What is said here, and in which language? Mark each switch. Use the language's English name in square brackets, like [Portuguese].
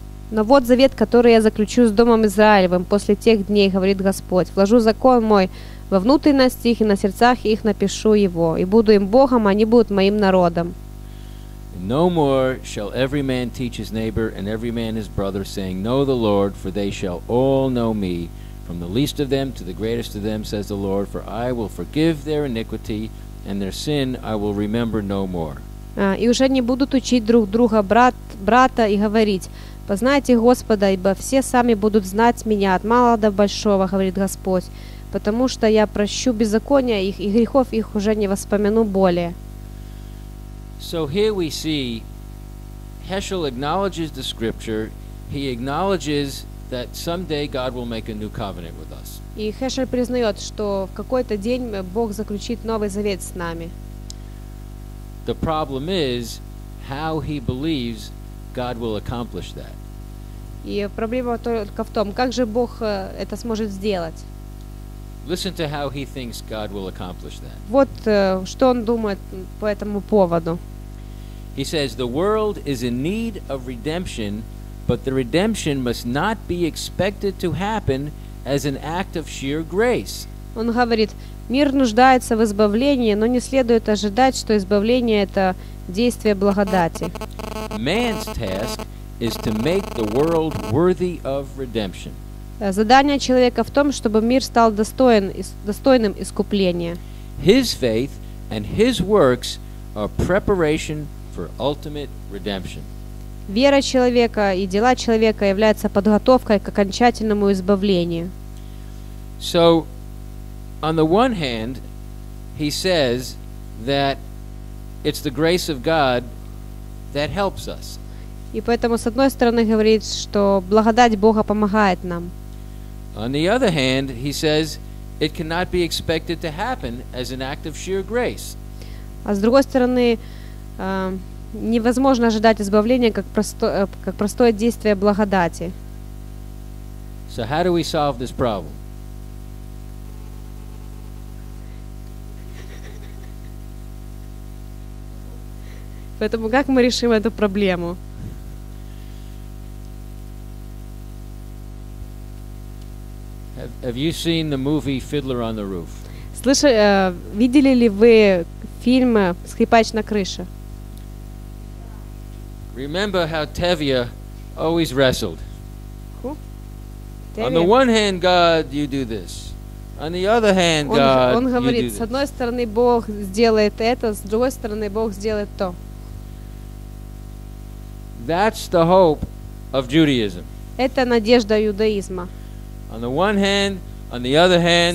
[Russian] Но вот завет, который я заключу с домом Израилевым после тех дней, говорит Господь. Вложу закон мой во внутренности их, и на сердцах их напишу его, и буду им Богом, они будут моим народом. [English] No more shall every man teach his neighbor and every man his brother, saying, Know the Lord, for they shall all know me, from the least of them to the greatest of them, says the Lord, for I will forgive their iniquity, and their sin I will remember no more. [Russian] И уже не будут учить друг друга брата и говорить, Познайте Господа, ибо все сами будут знать меня от мала до большого, говорит Господь, потому что я прощу беззакония их, и грехов их уже не воспомяну более. [English] So here we see Heschel acknowledges the scripture. He acknowledges that someday God will make a new covenant with us. [Russian] И Хешел признает, что в какой-то день Бог заключит новый завет с нами. [English] The problem is how he believes God will accomplish that. [Russian] И проблема только в том, как же Бог это сможет сделать. [English] Listen to how he thinks God will accomplish that. [Russian] Вот что он думает по этому поводу. [English] He says, the world is in need of redemption, but the redemption must not be expected to happen as an act of sheer grace. [Russian] Он говорит, мир нуждается в избавлении, но не следует ожидать, что избавление — это действие благодати. [English] Man's task is to make the world worthy of redemption. [Russian] Задание человека в том, чтобы мир стал достойным искупления. [English] His faith and his works are preparation for ultimate redemption. [Russian] Вера человека и дела человека являются подготовкой к окончательному избавлению. [English] So, on the one hand, he says that it's the grace of God that helps us. [Russian] И поэтому с одной стороны говорит, что благодать Бога помогает нам. [English] On the other hand, he says it cannot be expected to happen as an act of sheer grace. [Russian] А с другой стороны, невозможно ожидать избавления как простое действие благодати. [English] So how do we solve this problem? [Russian] Поэтому как мы решим эту проблему? [English] Have you seen the movie Fiddler on the Roof? [Russian] Видели ли вы фильм «Скрипач на крыше»? [English] Remember how Tevye always wrestled. Who? On the one hand, God, you do this. On the other hand, God, [Russian] он говорит, [English] you do this. [Russian] С одной стороны, Бог сделает это, с другой стороны, Бог сделает то. [English] That's the hope of Judaism. [Russian] Это надежда иудаизма. [English] On the one hand, on the other hand.